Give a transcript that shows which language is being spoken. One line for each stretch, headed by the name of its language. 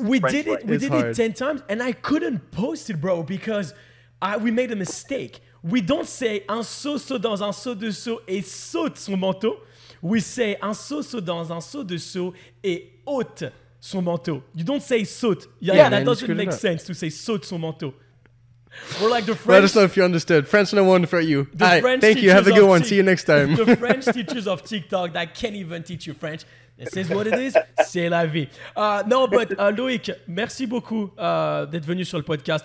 English: We did it 10 times and I couldn't post it, bro, because we made a mistake. We don't say
French: un saut saute dans un saut de saut et saute son manteau.
English: We say
French: un saut saute dans un saut de saut et ôte son manteau.
English: You don't say saute. Yeah, that doesn't make sense to say
French: saute son manteau.
English: We're like the French. Let us know if you understood. French no one for you. Thank you. Have a good one. See you next time. The French teachers of TikTok that can't even teach you French. This is what it is.
French: C'est la vie.
English: No, but
French: Loïc, merci beaucoup d'être venu sur le podcast.